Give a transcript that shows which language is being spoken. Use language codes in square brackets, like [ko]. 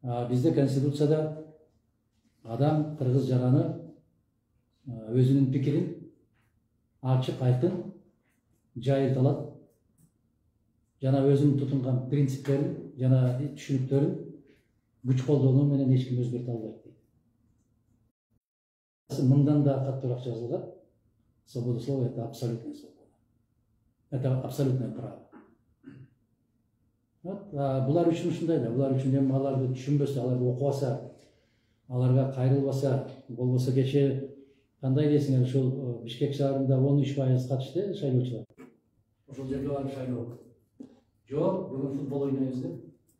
[ky] Бизде конституцияда адам кыргыз жараны өзүнүн пикирин ачык айтып жайылта алат. Жана өзүнүн тутунган принциптерин жана түшүнүктөрүн күч колдонуу менен эч ким өзгөртө албайт. Мындан да катуураак жазылган. [ru] Свобода слова — это абсолютная свобода. Это абсолютное право. [ky] Булар үчүн ушундай эле, булар үчүн эми аларды түшүнбөсө, аларды окубаса, аларга кайрылбаса, болбосо кечээ кандай дейсиңер, ушул Бишкек шаарында 13% катышты шайлоочулар. Ошол жерде алар шайлоо. Жок, бүгүн футбол ойнойбуз деп.